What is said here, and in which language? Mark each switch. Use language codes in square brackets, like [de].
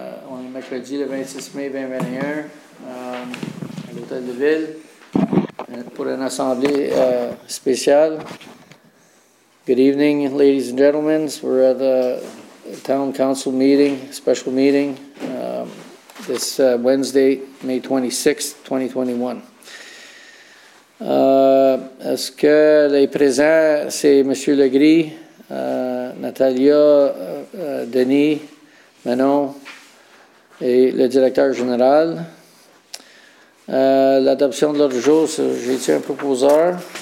[fr] On est mercredi le 26 mai 2021 à l'hôtel de ville pour une assemblée spéciale. [en] Good evening, ladies and gentlemen. We're at the town council meeting, special meeting, this Wednesday, May 26, 2021. [fr] Est-ce que les présents, c'est M. Legris, Natalia, Denis, Manon et le directeur général. L'adoption de l'ordre du jour, j'ai été un proposeur.